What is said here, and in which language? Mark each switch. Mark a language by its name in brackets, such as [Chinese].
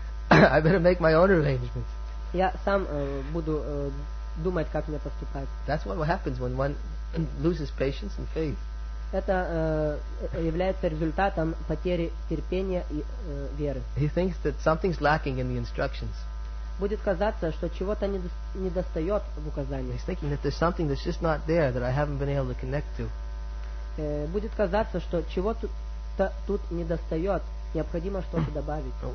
[English] I better make my own arrangements. [Russian] Я сам буду думать, как мне поступать. [English] That's what happens when one loses patience and faith. [Russian] Это является результатом потери терпения и веры. [English] He thinks that something's lacking in the instructions. [Russian] Будет казаться, что чего-то недостает в указании. [English] He's thinking that there's something that's just not there that I haven't been able to connect to. [Russian] Будет казаться, что чего-то тут недостает, необходимо что-то добавить.